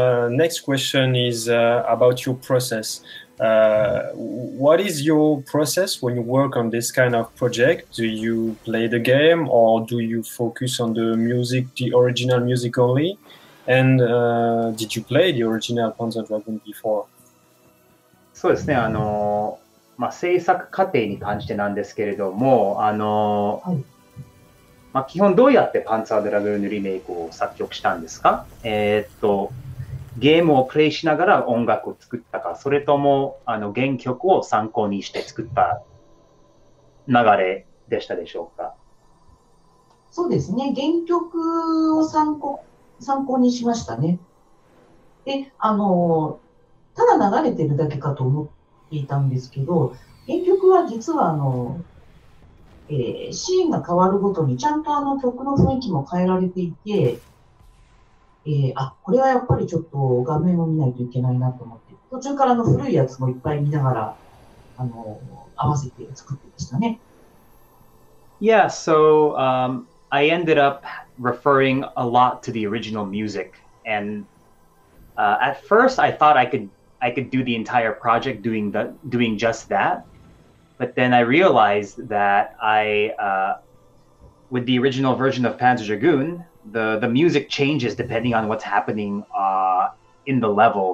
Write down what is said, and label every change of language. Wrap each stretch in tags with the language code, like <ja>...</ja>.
<en>Next question is about your process. What is your process when you work on this kind of project? Do you play the game or do you focus on the music, the original music only? And did you play the original Panzer Dragoon before?</en> <ja>そうですね、制作過程に関してなんですけれども、まあ、基本どうやってパンツァードラグーンリメイクを作曲したんですか？ゲームをプレイしながら音楽を作ったか、それとも、あの、原曲を参考にして作った流れでしたでしょうか？そうですね。原曲を参考にしましたね。で、ただ流れてるだけかと思っていたんですけど、原曲は実はシーンが変わるごとにちゃんとあの曲の雰囲気も変えられていて、これはやっぱりちょっと画面を見ないといけないなと思って、途中からの古いやつもいっぱい見ながら、合わせて作ってましたね。</ja> <en>Yeah, so, I ended up referring a lot to the original music, and, at first I thought I could do the entire project doing just that. But then I realized that with the original version of Panzer Dragoon, the music changes depending on what's happening in the level.</en>